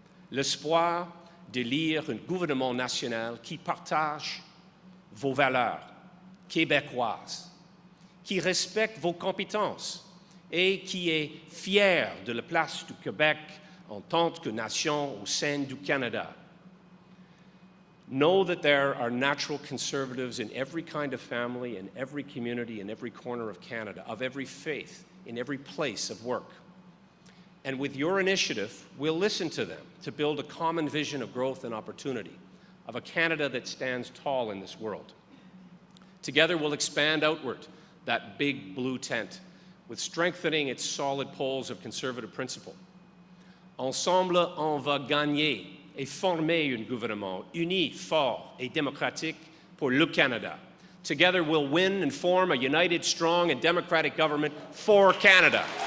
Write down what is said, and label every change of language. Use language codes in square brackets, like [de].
[fr] L'espoir d'élire un gouvernement national qui partage vos valeurs québécoises, qui respecte vos compétences et qui est fier de la place du Québec en tant que nation au sein du Canada. [en] Know that there are natural conservatives in every kind of family, in every community, in every corner of Canada, of every faith, in every place of work. And with your initiative, we'll listen to them to build a common vision of growth and opportunity, of a Canada that stands tall in this world. Together, we'll expand outward that big blue tent with strengthening its solid poles of conservative principle. [fr] Ensemble, on va gagner et former un gouvernement uni, fort et démocratique pour le Canada. [en] Together, we'll win and form a united, strong and democratic government for Canada.